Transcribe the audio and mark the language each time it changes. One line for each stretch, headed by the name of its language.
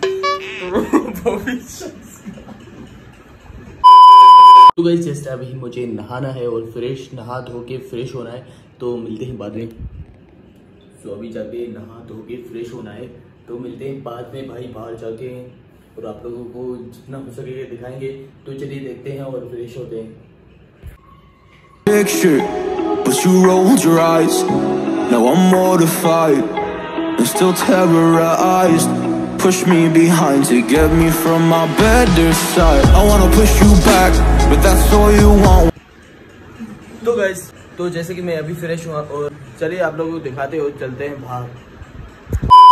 Hindi: तो guys just अभी मुझे नहाना है और फ्रेश नहा धो के फ्रेश होना है, तो मिलते हैं बाद में। सो अभी जाके नहा धो के फ्रेश होना है, तो मिलते हैं बाद में भाई बाहर जाके और आप लोगों को जितना हो सके दिखाएंगे। तो चलिए देखते हैं और फ्रेश होते हैं।
English: Picture, but you rolled your eyes. Now I'm mortified and still terrorized. Push me behind to get me from my better side. I wanna push you back, but that's all you want.
Hindi: तो guys, तो जैसे कि मैं अभी fresh हुआ और चलिए आप लोगों को दिखाते हो, चलते हैं बाहर।